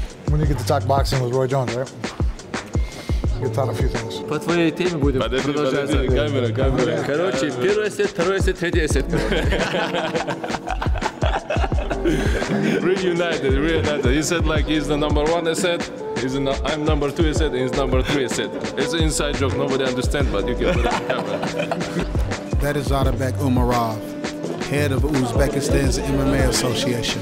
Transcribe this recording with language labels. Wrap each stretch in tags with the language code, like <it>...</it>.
<en>When you get to talk boxing with Roy Jones, right?</en> <ru>По твоей теме будем продолжать. Камера. Короче, первый сет, второй сет, третий сет.</ru> <en>Reunited. He said like he's the number one. I said he's I'm number two. He said he's number three. I said it's an inside joke. Nobody understands, but you can put it on camera. That is Otabek Umarov, head of Uzbekistan's MMA Association.</en>